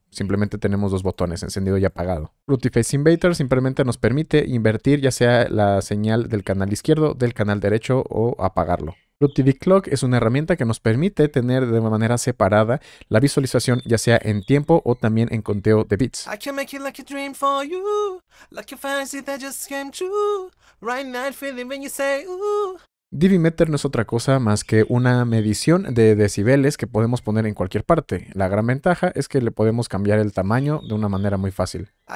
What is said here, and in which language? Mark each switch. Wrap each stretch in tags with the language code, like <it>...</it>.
<es>Simplemente tenemos dos botones, encendido y apagado. Fruity Phase Invader simplemente nos permite invertir ya sea la señal del canal izquierdo, del canal derecho o apagarlo. Fruity VClock es una herramienta que nos permite tener de manera separada la visualización ya sea en tiempo o también en conteo de bits.</es> <en>I can make it like a dream for you, like a fantasy that just came true, right now feeling when you say ooh.</en> <es>Divimeter no es otra cosa más que una medición de decibeles que podemos poner en cualquier parte. La gran ventaja es que le podemos cambiar el tamaño de una manera muy fácil.</es>